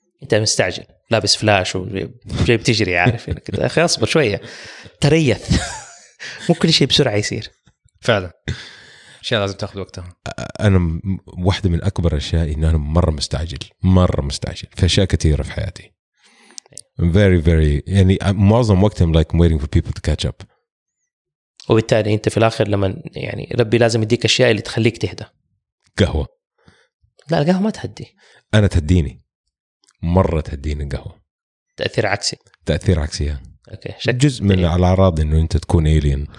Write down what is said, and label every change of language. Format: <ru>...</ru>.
<ar>أنت مستعجل لابس فلاش وجاي بتجري عارف، أخي أصبر شوية تريث. مو كل شيء بسرعة يصير. فعلا شيء لازم تأخذ وقتها. أنا واحدة من أكبر الأشياء إن أنا مرة مستعجل في أشياء كثيرة في حياتي.</ar> <en>I'm very very</en> <ar>يعني معظم وقتي</ar> <en>I'm like waiting for people to catch up.</en> <ar>وبالتالي أنت في الآخر لما يعني ربي لازم يديك أشياء اللي تخليك تهدى. قهوة. لا القهوة ما تهدي. أنا تهديني، مرة تهديني القهوة. تأثير عكسي. تأثير عكسي. أوكي. جزء من الأعراض إنه أنت تكون إيلين.</ar>